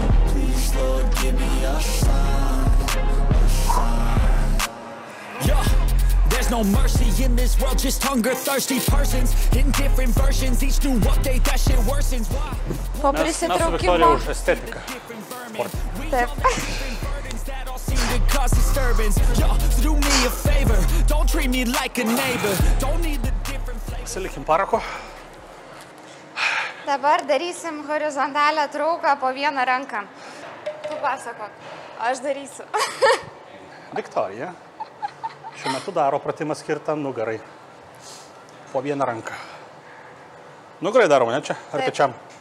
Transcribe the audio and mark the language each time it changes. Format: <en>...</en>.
<en>Please Lord, give me a sign, a sign. There's no mercy in this world, just hunger-thirsty persons in different versions, each new update, that shit worsens.</en> <lt>Po prisitraukimo. Mes su Viktorija už estetiką.</lt> <en>cause disturbance. Yo, do me a favor. Don't treat me like a neighbor. Don't need the different flavor.</en> <lt>Pasilikim parako. Dabar darysim horizontalią trauką po vieną ranką. Tu pasakok, aš darysiu. Viktorija šiuo metu daro pratimą skirtą nugarai. Po vieną ranką. Nugarai daro, ne čia? Ar pečiam?</lt>